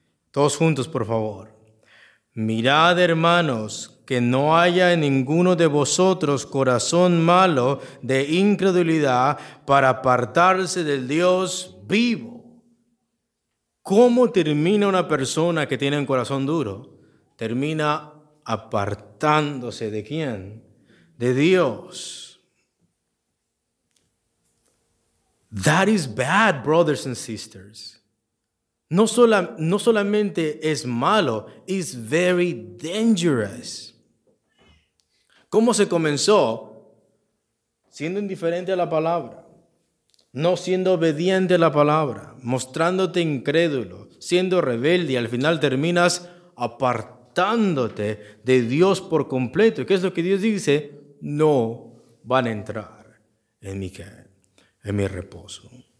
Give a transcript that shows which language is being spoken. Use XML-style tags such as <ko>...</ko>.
<es>Todos juntos, por favor. Mirad, hermanos, que no haya en ninguno de vosotros corazón malo de incredulidad para apartarse del Dios vivo. ¿Cómo termina una persona que tiene un corazón duro? Termina apartándose ¿de quién? De Dios.</es> <en>That is bad, brothers and sisters.</en> <es>No solamente es malo,</es> <en>it's very dangerous.</en> <es>¿Cómo se comenzó? Siendo indiferente a la palabra, no siendo obediente a la palabra, mostrándote incrédulo, siendo rebelde, y al final terminas apartándote de Dios por completo. ¿Qué es lo que Dios dice? No van a entrar en mi reposo.</es>